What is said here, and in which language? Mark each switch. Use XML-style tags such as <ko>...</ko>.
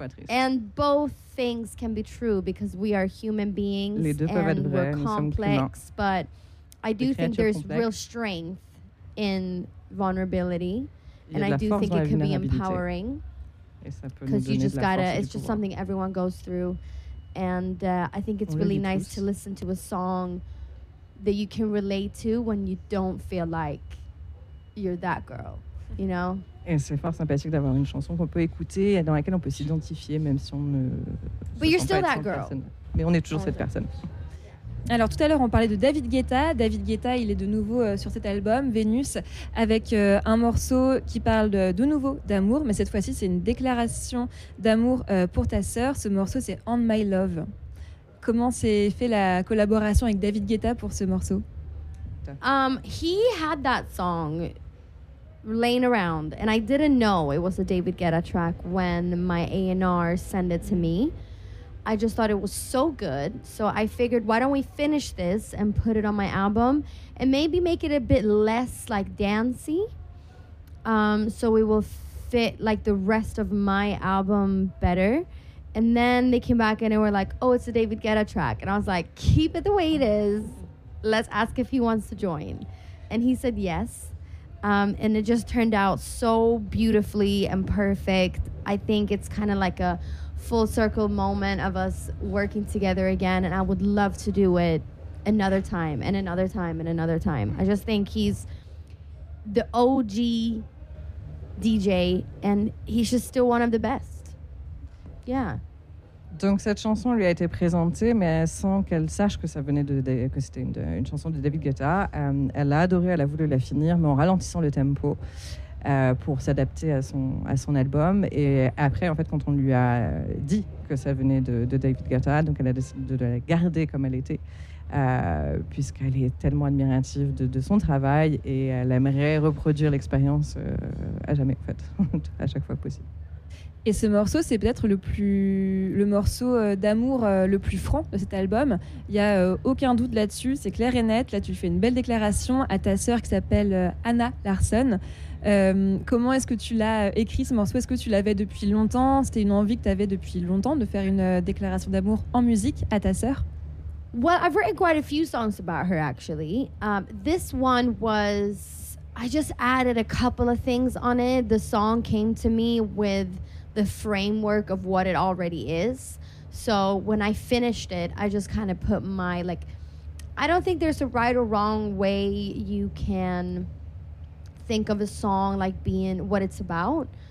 <en>And both things can be true because we are human beings and we're complex, but I do think there's real strength in vulnerability, and I do think it can be empowering because you just gotta, it's just something everyone goes through, and I think it's really nice to listen to a song that you can relate to when you don't feel like you're that girl, you know.</en> <fr>Et c'est fort sympathique d'avoir une chanson qu'on peut écouter et dans laquelle on peut s'identifier même si on ne</fr> <en>but you're still that girl.</en> <fr>Mais on est toujours cette personne. Alors tout à l'heure on parlait de David Guetta. David Guetta, il est de nouveau sur cet album Vénus avec un morceau qui parle de nouveau d'amour, mais cette fois-ci c'est une déclaration d'amour pour ta sœur. Ce morceau c'est On My Love. Comment s'est fait la collaboration avec David Guetta pour ce morceau?</fr> <en>He had that song laying around and I didn't know it was a David Guetta track when my A&R sent it to me. I just thought it was so good, so I figured, why don't we finish this and put it on my album and maybe make it a bit less like dancey, so it will fit like the rest of my album better. And then they came back and they were like, oh, it's a David Guetta track. And I was like, keep it the way it is. Let's ask if he wants to join. And he said yes. And it just turned out so beautifully and perfect. I think it's kind of like a full circle moment of us working together again, and I would love to do it another time and another time and another time. I just think he's the OG DJ and he's just still one of the best. Yeah.</en> <fr>Donc cette chanson lui a été présentée, mais sans qu'elle sache que ça venait que c'était une chanson de David Guetta. Elle l'a adoré, elle a voulu la finir, mais en ralentissant le tempo pour s'adapter à son album. Et après, en fait, quand on lui a dit que ça venait de David Guetta, donc elle a décidé de la garder comme elle était, puisqu'elle est tellement admirative de son travail et elle aimerait reproduire l'expérience à jamais, en fait, à chaque fois possible. Et ce morceau, c'est peut-être le morceau d'amour le plus franc de cet album. Il n'y a aucun doute là-dessus, c'est clair et net. Là, tu fais une belle déclaration à ta sœur qui s'appelle Anna Larsson. Comment est-ce que tu l'as écrit, ce morceau? Est-ce que tu l'avais depuis longtemps? C'était une envie que tu avais depuis longtemps de faire une déclaration d'amour en musique à ta sœur?</fr> <en>Well, I've written quite a few songs about her, actually. This one was... I just added a couple of things on it. The song came to me with the framework of what it already is. So when I finished it, I just kind of put my, like, I don't think there's a right or wrong way you can think of a song, like, being what it's about.</en>